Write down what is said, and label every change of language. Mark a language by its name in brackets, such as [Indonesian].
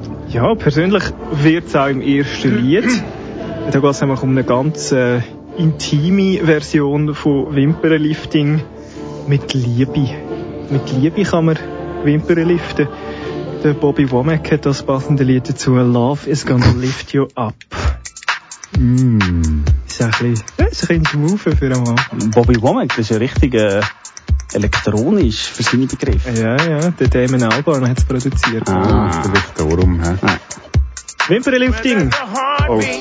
[German] Ja, persönlich wird es auch im ersten Lied. Da geht es einfach um eine ganz intime Version von Wimpernlifting mit Liebe. Mit Liebe kann man Wimpern liften. Der Bobby Womack hat das passende Lied dazu. [English] Love is gonna lift you up. [German] Ist ein bisschen smooth für einen Mann. Bobby Womack, das ist ja richtig elektronisch für seine Begriffe. Ja, der Damon Albarn hat es produziert. Ah, vielleicht darum, hä? Wimpernlifting! Oh.